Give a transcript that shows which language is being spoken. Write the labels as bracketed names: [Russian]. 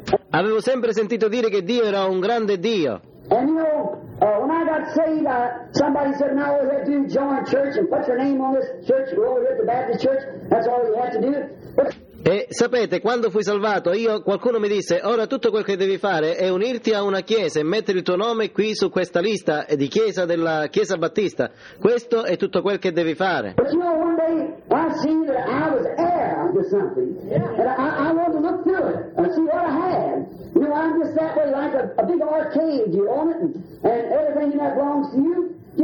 [Italian] Avevo sempre sentito dire che Dio era un grande Dio. [English] And you know, when I got saved, somebody said, now all you have to do is join a church and put your name on this church, go over here to the Baptist church, that's all you have to do. [Italian] E sapete, quando fui salvato, io, qualcuno mi disse, ora tutto quel che devi fare è unirti a una chiesa e mettere il tuo nome qui su questa lista di chiesa della Chiesa Battista. Questo è tutto quel che devi fare. [English] But you know, one day, I see that I was heir to something. Yeah. And I want to look through it and see what I had. You know, I'm just that way, like a big arcade. You own it, and everything in that belongs to you.